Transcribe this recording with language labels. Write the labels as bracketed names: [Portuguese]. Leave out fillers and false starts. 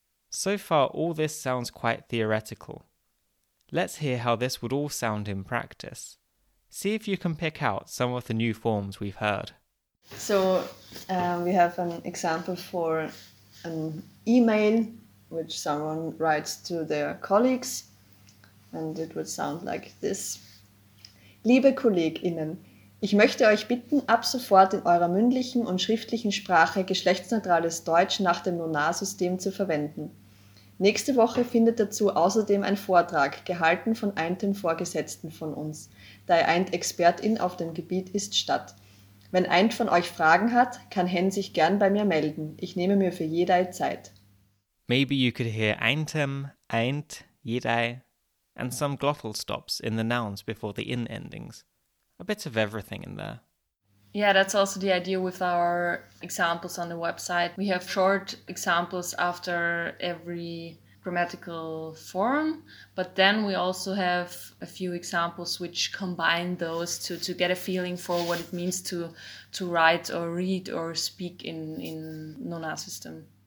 [English] So far, all this sounds quite theoretical. Let's hear how this would all sound in practice. See if you can pick out some of the new forms we've heard. So we have an example for an email which someone writes to their colleagues, and it would sound like this. [German] Liebe KollegInnen, ich möchte euch bitten, ab sofort in eurer mündlichen und schriftlichen Sprache geschlechtsneutrales Deutsch nach dem NoNa-System zu verwenden. Nächste Woche findet dazu außerdem ein Vortrag, gehalten von einem Vorgesetzten von uns, da er ein ExpertIn auf dem Gebiet ist, statt. Wenn ein von euch Fragen hat, kann Hen sich gern bei mir melden. Ich nehme mir für jeder Zeit. [English] Maybe you could hear einem, eint, jedai, and some glottal stops in the nouns before the in endings. A bit of everything in there. Yeah, that's also the idea with our examples on the website. We have short examples after every grammatical form, but then we also have a few examples which combine those to get a feeling for what it means to write or read or speak in NoNa system.